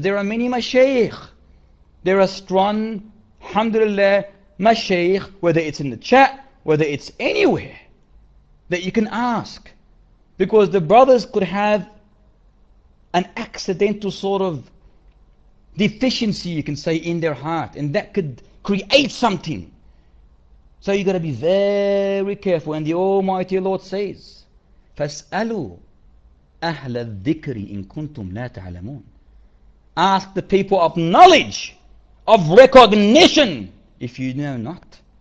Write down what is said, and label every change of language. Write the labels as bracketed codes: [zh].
[en] There are many mashaykh. There are strong, alhamdulillah, mashaykh, whether it's in the chat, whether it's anywhere, that you can ask. Because the brothers could have an accidental sort of deficiency, you can say, in their heart. And that could create something. So you got to be very careful. And the Almighty Lord says, [ar] فَاسْأَلُوا أَهْلَ الذِّكْرِ إِن كُنْتُمْ لَا تَعْلَمُونَ. [en] Ask the people of knowledge, of recognition, if you know not.